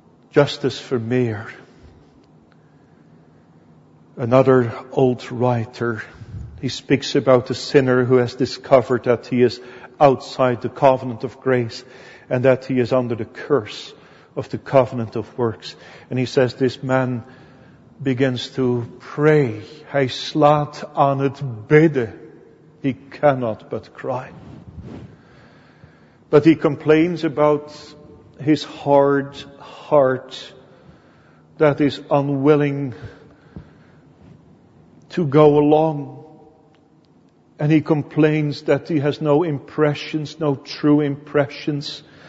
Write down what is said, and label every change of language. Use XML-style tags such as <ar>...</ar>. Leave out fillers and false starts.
<en>Justus Vermeer, another old writer, he speaks about a sinner who has discovered that he is outside the covenant of grace and that he is under the curse of the covenant of works. And he says this man begins to pray.</en> <nl>Hij slaat aan het bidden.</nl> <en>He cannot but cry. But he complains about his hard heart that is unwilling to go along. And he complains that he has no impressions, no true impressions.</en>